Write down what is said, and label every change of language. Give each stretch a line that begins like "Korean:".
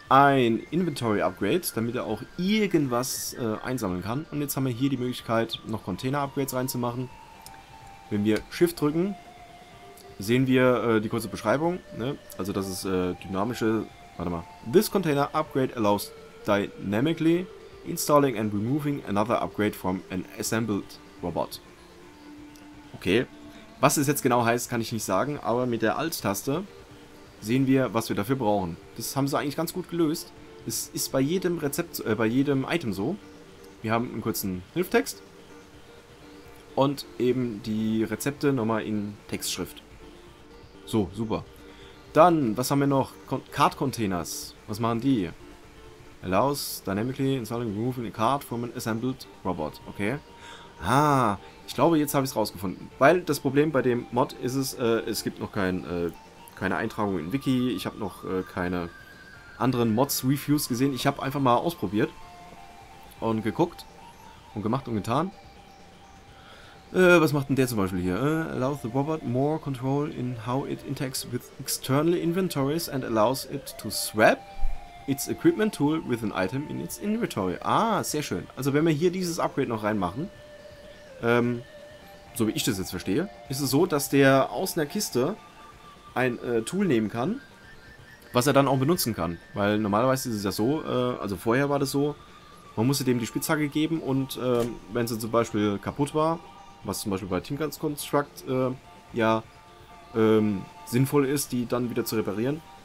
German: Ein Inventory Upgrade, damit er auch irgendwas einsammeln kann. Und jetzt haben wir hier die Möglichkeit, noch Container Upgrades reinzumachen. Wenn wir Shift drücken, sehen wir die kurze Beschreibung, ne? Also das ist dynamische, warte mal.
English: This container upgrade allows dynamically installing and removing another upgrade from an assembled robot.
German: Okay, was es jetzt genau heißt, kann ich nicht sagen, aber mit der Alt-Taste sehen wir, was wir dafür brauchen. Das haben sie eigentlich ganz gut gelöst. Es ist bei jedem Rezept, bei jedem Item so. Wir haben einen kurzen Hilftext und eben die Rezepte nochmal in Textschrift. So, super. Dann, was haben wir noch? Card-Containers. Was machen die?
English: Allows dynamically installing removing a card from an assembled robot. Okay.
German: Ah, ich glaube, jetzt habe ich es rausgefunden. Weil das Problem bei dem Mod ist es, es gibt noch keine Eintragung in Wiki. Ich habe noch keine anderen Mods-Reviews gesehen. Ich habe einfach mal ausprobiert und geguckt und gemacht und getan. Was macht denn der zum Beispiel hier?
English: Allows the robot more control in how it interacts with external inventories and allows it to swap its equipment tool with an item in its inventory.
German: Ah, sehr schön. Also wenn wir hier dieses Upgrade noch reinmachen, so wie ich das jetzt verstehe, ist es so, dass der aus einer Kiste ein Tool nehmen kann, was er dann auch benutzen kann. Weil normalerweise ist es ja so, also vorher war das so, man musste dem die Spitzhacke geben und wenn sie zum Beispiel kaputt war, was zum Beispiel bei Tinkers Construct sinnvoll ist, die dann wieder zu reparieren.